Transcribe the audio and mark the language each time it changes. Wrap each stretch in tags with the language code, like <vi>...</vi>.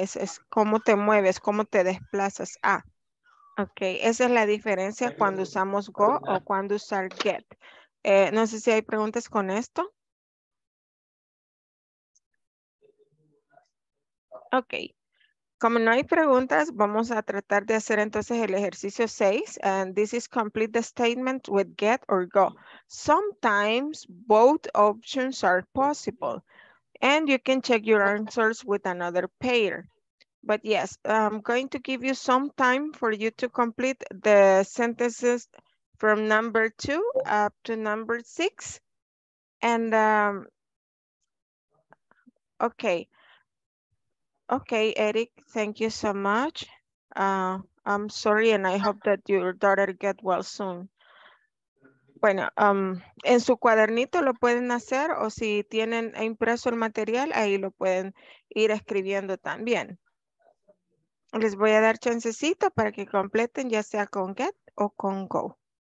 <es>Es cómo te mueves, cómo te desplazas. Ah, ok, esa es la diferencia cuando usamos go o cuando usar get. No sé si hay preguntas con esto. Ok, como no hay preguntas, vamos a tratar de hacer entonces el ejercicio 6.</es> <en>And this is complete the statement with get or go. Sometimes both options are possible. And you can check your answers with another pair. But yes, I'm going to give you some time for you to complete the sentences from number 2 up to number 6. And Okay, Eric, thank you so much. I'm sorry, and I hope that your daughter get well soon.</en> <es>Bueno, en su cuadernito lo pueden hacer, o si tienen impreso el material, ahí lo pueden ir escribiendo también. Les voy a dar chancecito para que completen, ya sea con get o con go.</es>